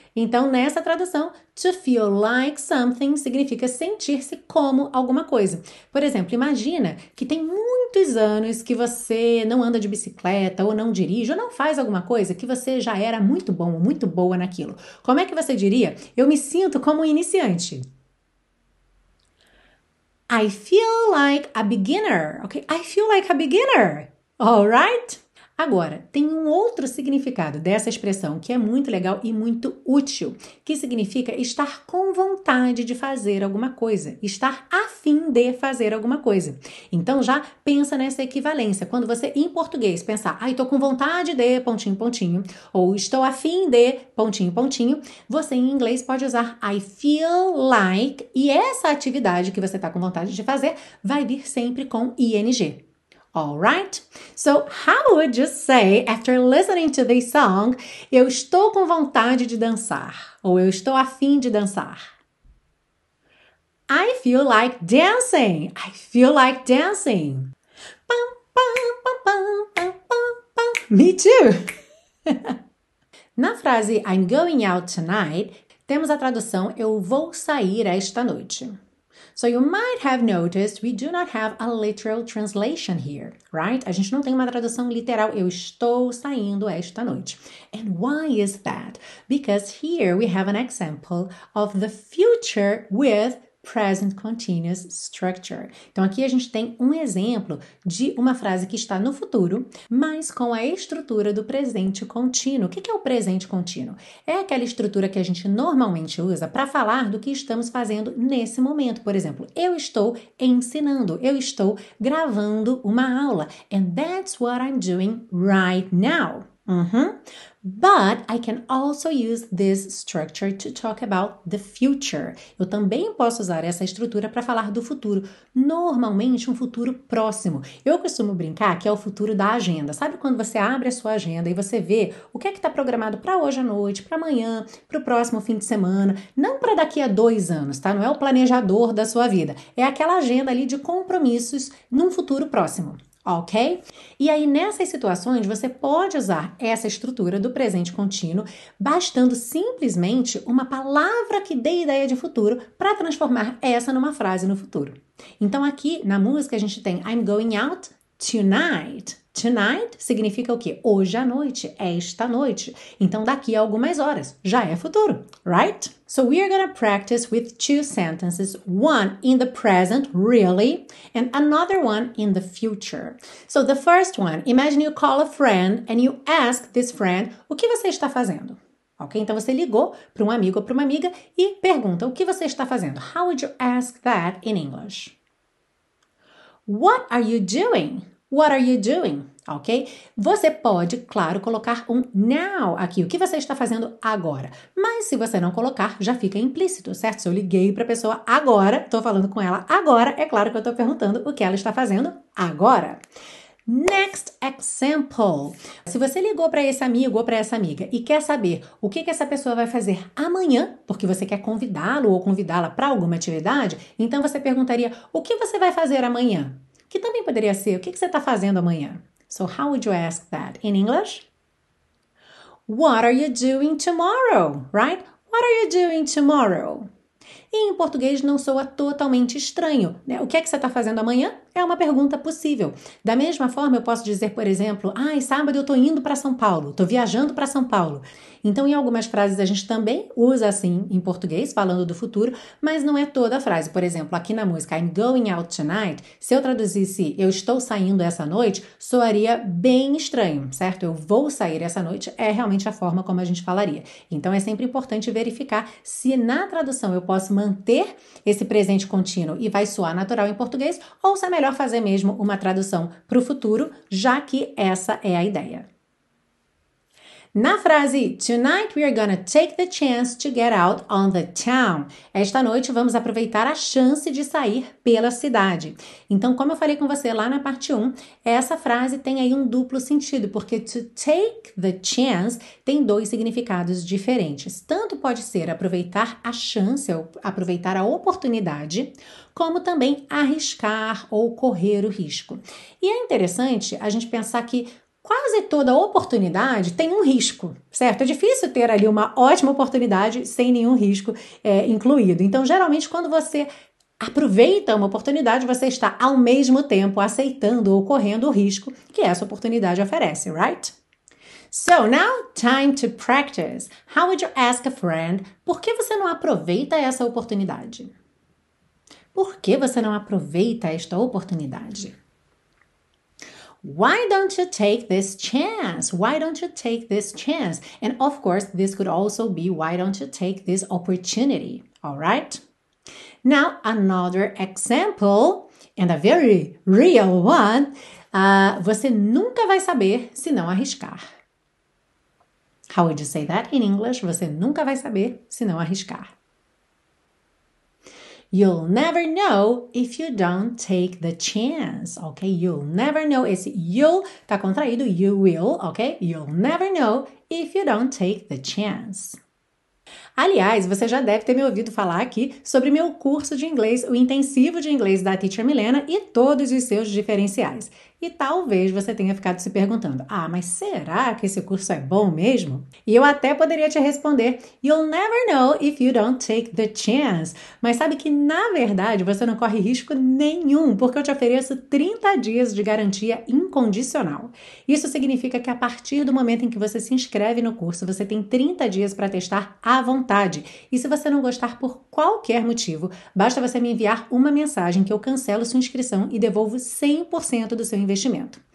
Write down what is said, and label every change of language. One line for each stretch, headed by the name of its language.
Portuguese: Então, nessa tradução,
English: to feel like something
Portuguese: significa sentir-se como alguma coisa. Por exemplo, imagina que tem muitos anos que você não anda de bicicleta, ou não dirige, ou não faz alguma coisa que você já era muito bom ou muito boa naquilo. Como é que você diria? Eu me sinto como um iniciante.
English: I feel like a beginner, ok? I feel like a beginner, all right?
Portuguese: Agora, tem um outro significado dessa expressão que é muito legal e muito útil, que significa estar com vontade de fazer alguma coisa, estar a fim de fazer alguma coisa. Então, já pensa nessa equivalência. Quando você, em português, pensar, ai, tô com vontade de, pontinho, pontinho, ou estou a fim de, pontinho, pontinho, você, em inglês, pode usar
English: I feel like,
Portuguese: e essa atividade que você está com vontade de fazer vai vir sempre com ing. All right?
English: So, how would you say, after listening to this song,
Portuguese: eu estou com vontade de dançar? Ou eu estou a fim de dançar?
English: I feel like dancing. I feel like dancing. Me too.
Portuguese: Na frase
English: I'm going out tonight,
Portuguese: temos a tradução eu vou sair esta noite.
English: So you might have noticed we do not have a literal translation here, right?
Portuguese: A gente não tem uma tradução literal, eu estou saindo esta noite.
English: And why is that? Because here we have an example of the future with present continuous structure.
Portuguese: Então, aqui a gente tem um exemplo de uma frase que está no futuro, mas com a estrutura do presente contínuo. O que é o presente contínuo? É aquela estrutura que a gente normalmente usa para falar do que estamos fazendo nesse momento. Por exemplo, eu estou ensinando, eu estou gravando uma aula.
English: And that's what I'm doing right now. But I can also use this structure to talk about the future.
Portuguese: Eu também posso usar essa estrutura para falar do futuro, normalmente um futuro próximo. Eu costumo brincar que é o futuro da agenda. Sabe quando você abre a sua agenda e você vê o que é que está programado para hoje à noite, para amanhã, para o próximo fim de semana, não para daqui a 2 anos, tá? Não é o planejador da sua vida. É aquela agenda ali de compromissos num futuro próximo. Ok? E aí, nessas situações, você pode usar essa estrutura do presente contínuo, bastando simplesmente uma palavra que dê ideia de futuro para transformar essa numa frase no futuro. Então, aqui na música, a gente tem
English: I'm going out tonight.
Portuguese: Tonight significa o quê? Hoje à noite, esta noite. Então, daqui a algumas horas, já é futuro, right?
English: So, we are gonna practice with 2 sentences. One in the present, really, and another one in the future. So, the first one, imagine you call a friend and you ask this friend,
Portuguese: o que você está fazendo?
English: Ok?
Portuguese: Então, você ligou para um amigo ou para uma amiga e pergunta, o que você está fazendo?
English: How would you ask that in English? What are you doing? What are you doing? Ok?
Portuguese: Você pode, claro, colocar um now aqui. O que você está fazendo agora? Mas se você não colocar, já fica implícito, certo? Se eu liguei para a pessoa agora, estou falando com ela agora, é claro que eu estou perguntando o que ela está fazendo agora. Next example. Se você ligou para esse amigo ou para essa amiga e quer saber o que essa pessoa vai fazer amanhã, porque você quer convidá-lo ou convidá-la para alguma atividade, então você perguntaria, o que você vai fazer amanhã? Que também poderia ser, o que você está fazendo amanhã?
English: So, how would you ask that in English? What are you doing tomorrow, right? What are you doing tomorrow?
Portuguese: E em português não soa totalmente estranho, né? O que você está fazendo amanhã? É uma pergunta possível. Da mesma forma, eu posso dizer, por exemplo, ai, sábado eu estou indo para São Paulo, estou viajando para São Paulo. Então, em algumas frases, a gente também usa assim em português, falando do futuro, mas não é toda a frase. Por exemplo, aqui na música,
English: I'm going out tonight,
Portuguese: se eu traduzisse eu estou saindo essa noite, soaria bem estranho, certo? Eu vou sair essa noite, é realmente a forma como a gente falaria. Então, é sempre importante verificar se na tradução eu posso manter esse presente contínuo e vai soar natural em português, ou se é melhor fazer mesmo uma tradução para o futuro, já que essa é a ideia. Na frase,
English: tonight we are gonna take the chance to get out on the town.
Portuguese: Esta noite vamos aproveitar a chance de sair pela cidade. Então, como eu falei com você lá na parte 1, essa frase tem aí um duplo sentido, porque
English: to take the chance
Portuguese: tem 2 significados diferentes. Tanto pode ser aproveitar a chance, ou aproveitar a oportunidade, como também arriscar ou correr o risco. E é interessante a gente pensar que quase toda oportunidade tem um risco, certo? É difícil ter ali uma ótima oportunidade sem nenhum risco incluído. Então, geralmente, quando você aproveita uma oportunidade, você está, ao mesmo tempo, aceitando ou correndo o risco que essa oportunidade oferece, right?
English: So, now, time to practice. How would you ask a friend,
Portuguese: por que você não aproveita essa oportunidade? Por que você não aproveita esta oportunidade?
English: Why don't you take this chance? Why don't you take this chance? And of course, this could also be why don't you take this opportunity, all right? Now, another example, and a very real one,
Portuguese: você nunca vai saber se não arriscar.
English: How would you say that in English?
Portuguese: Você nunca vai saber se não arriscar.
English: You'll never know if you don't take the chance, ok? You'll never know,
Portuguese: esse
English: you'll
Portuguese: tá contraído,
English: you will, ok? You'll never know if you don't take the chance.
Portuguese: Aliás, você já deve ter me ouvido falar aqui sobre meu curso de inglês, o intensivo de inglês da Teacher Milena e todos os seus diferenciais. E talvez você tenha ficado se perguntando: ah, mas será que esse curso é bom mesmo? E eu até poderia te responder:
English: you'll never know if you don't take the chance.
Portuguese: Mas sabe que na verdade você não corre risco nenhum, porque eu te ofereço 30 dias de garantia incondicional. Isso significa que a partir do momento em que você se inscreve no curso, você tem 30 dias para testar à vontade. E se você não gostar por qualquer motivo, basta você me enviar uma mensagem que eu cancelo sua inscrição e devolvo 100% do seu investimento.